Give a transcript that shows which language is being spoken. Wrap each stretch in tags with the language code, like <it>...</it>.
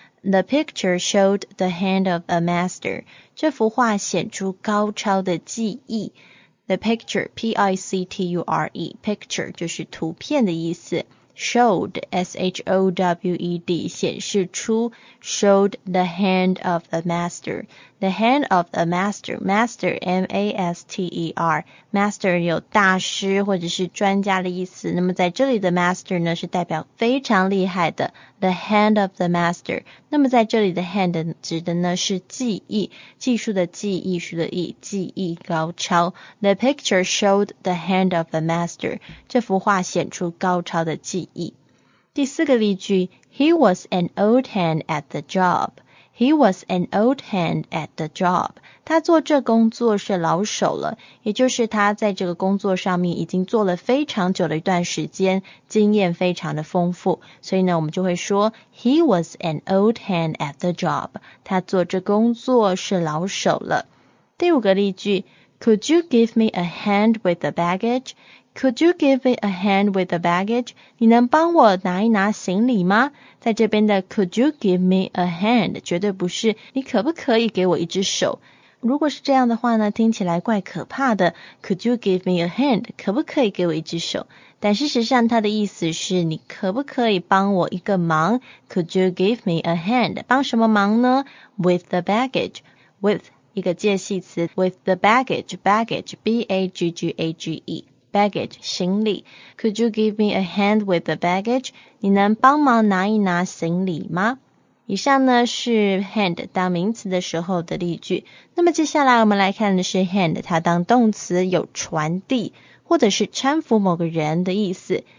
<en>The picture showed the hand of a master.</en> <zh>这幅画显出高超的技艺。 The picture, P-I-C-T-U-R-E, picture 就是图片的意思。</zh> <en>Showed, S-H-O-W-E-D, 显示出 showed the hand of a master.</en> <zh>The hand of a master, master, M-A-S-T-E-R, master 有大师或者是专家的意思。那么在这里的 master 呢是代表非常厉害的</zh> <en>the hand of the master.</en> <zh>那么在这里的 hand 指的呢是技艺，技术的技，艺术的艺，技艺高超。</zh> <en>The picture showed the hand of a master.</en> <zh>这幅画显出高超的技艺。</zh> <en>第四个例句， He was an old hand at the job. He was an old hand at the job.</en> <zh>他做这工作是老手了，也就是他在这个工作上面已经做了非常久的一段时间，经验非常的丰富。所以呢，我们就会说</zh> <en>He was an old hand at the job.</en> <zh>他做这工作是老手了。第五个例句，</zh> <en>Could you give me a hand with the baggage? Could you give me a hand with the baggage?</en> <zh>你能帮我拿一拿行李吗？在这边的</zh> <en>could you give me a hand</en> <zh>绝对不是你可不可以给我一只手。如果是这样的话呢，听起来怪可怕的。</zh> <en>Could you give me a hand?</en> <zh>可不可以给我一只手？但事实上它的意思是你可不可以帮我一个忙？</zh> <en>Could you give me a hand?</en> <zh>帮什么忙呢？</zh> <en>With the baggage. With 一个介系词 with the baggage, baggage, B-A-G-G-A-G-E.</en> <zh>Baggage, 行李。</zh> <en>Could you give me a hand with the baggage?</en> <zh>你能帮忙拿一拿行李吗？以上呢是 hand 当名词的时候的例句。那么接下来我们来看的是 hand, 它当动词有传递或者是搀扶某个人的意思。</zh>